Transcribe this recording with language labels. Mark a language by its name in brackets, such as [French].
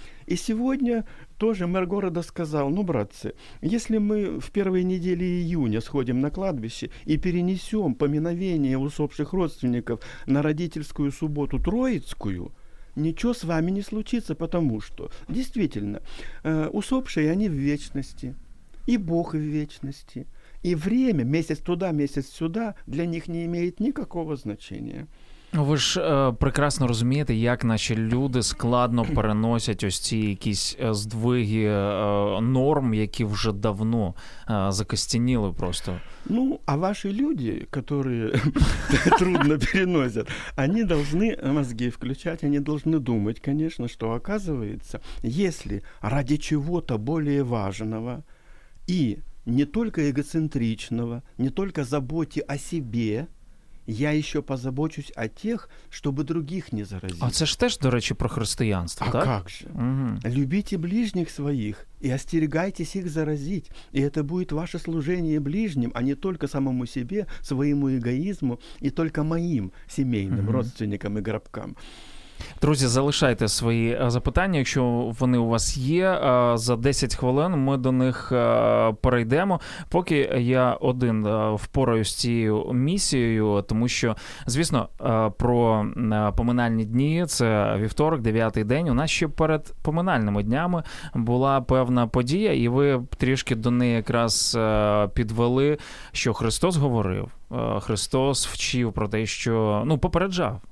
[Russian] И сегодня тоже мэр города сказал, ну, братцы, если мы в первой неделе июня сходим на кладбище и перенесем поминовение усопших родственников на родительскую субботу Троицкую, ничего с вами не случится, потому что, действительно, усопшие, они в вечности, и Бог в вечности, и время, месяц туда, месяц сюда, для них не имеет никакого значения. [Ukrainian] Ви ж прекрасно розумієте, як наші люди складно переносять ось ці якісь здвиги норм, які вже давно закостеніли просто. Ну, а ваші люди, які трудно переносять, вони повинні мозги включати, вони повинні думати, звісно, що, оказывается, якщо ради чого-то більш важливого і не тільки егоцентричного, не тільки заботи о себе, [Russian] я еще позабочусь о тех, чтобы других не заразить. А это же теж, до речи, про христианство, а так? А как же? Угу. Любите ближних своих и остерегайтесь их заразить. И это будет ваше служение ближним, а не только самому себе, своему эгоизму и только моим семейным, угу, родственникам и гробкам. [Ukrainian] Друзі, залишайте свої запитання, якщо вони у вас є. За 10 хвилин ми до них перейдемо. Поки я один впораюсь з цією місією, тому що, звісно, про поминальні дні, це вівторок, 9-й день. У нас ще перед поминальними днями була певна подія, і ви трішки до неї якраз підвели, що Христос говорив, Христос вчив про те, що, ну, попереджав.